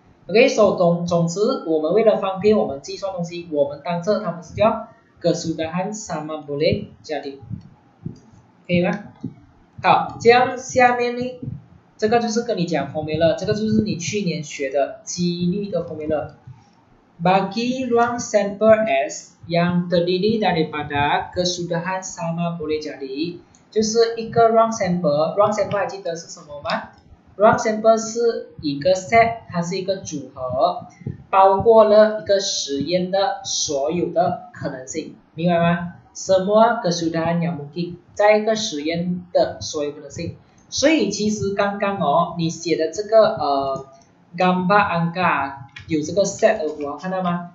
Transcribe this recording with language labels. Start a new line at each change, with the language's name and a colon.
Chinese: OK， so 总之，我们为了方便我们计算东西，我们当这它们是叫 kesudahan sama boleh jadi， 可以吗？好，这样下面呢，这个就是跟你讲 formula， 这个就是你去年学的几率的 formula。
Malay: Bagi ruang sampel S yang terdiri daripada kesudahan sama boleh jadi，就是一个 ruang sampel， ruang sampel 还记得是什么吗？
Chinese: ruang sampel 是一个 set， 它是一个组合，包括了一个实验的所有的可能性，明白吗？什么 kesudahan yang mungkin， 在一个实验的所有可能性。所以其实刚刚哦，你写的这个gambar angka有这个 set 的符号，看到吗？